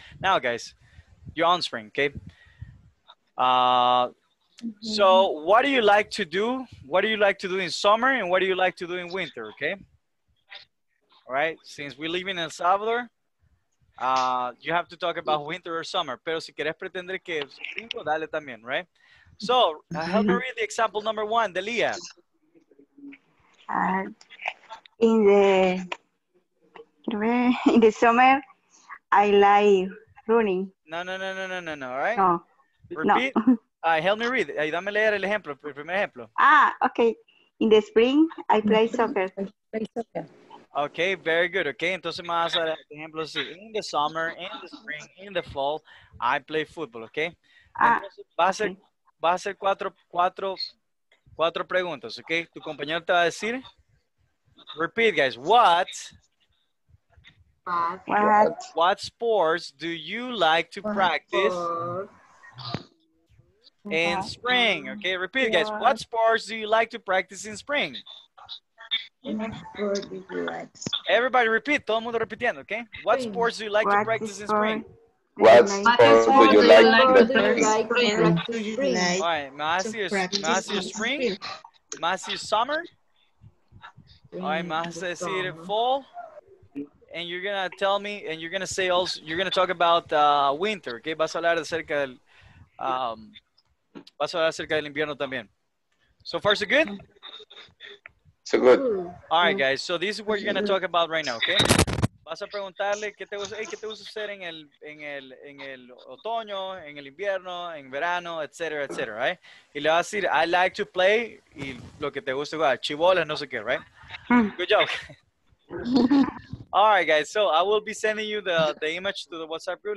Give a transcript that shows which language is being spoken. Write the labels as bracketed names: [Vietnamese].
[English] Now, guys, you're on spring, okay? So what do you like to do? What do you like to do in summer and what do you like to do in winter, okay? Right, since we live in El Salvador, you have to talk about winter or summer. [Spanish] Pero si quieres pretender que es gringo, dale también, right? [English] So, help me read the example number one, Delia. In the summer, I like running. No, all right? No. Repeat. No. Help me read. [Spanish] Ayúdame a leer el ejemplo, el primer ejemplo. [English] Okay. In the spring, I play soccer. Okay, very good. [Spanish] Okay, entonces me vas a dar ejemplo así. [English] In the summer, in the spring, in the fall, I play football, okay? [Spanish] Va a ser cuatro preguntas, okay? Tu compañero te va a decir, [English] repeat, guys, what sports do you like to practice? In spring. Okay, repeat, guys. What sports do you like to practice in spring? Everybody repeat. [Spanish] Todo mundo repitiendo, [English] okay? What sports do you like to practice in spring? What sports do you like to practice in spring? All right, [Spanish] más decir [English] spring. [Spanish] Más decir [English] summer. All right, [Spanish] más decir [English] fall. And you're going to tell me, and you're going to say also, you're going to talk about winter, okay? [Spanish] Vas a hablar acerca del... Vas a hablar acerca del invierno también. [English] So far, so good? So good. All right, guys. So this is what you're going to talk about right now, okay? [Spanish] Vas a preguntarle, ¿qué te gusta hacer en el otoño, en el invierno, en verano, etcétera, etcétera, right? Y le vas a decir, [English] I like to play, [Spanish] y lo que te gusta jugar, chibolas, no sé qué, right? [English] Good job. All right, guys. So I will be sending you the image to the WhatsApp group.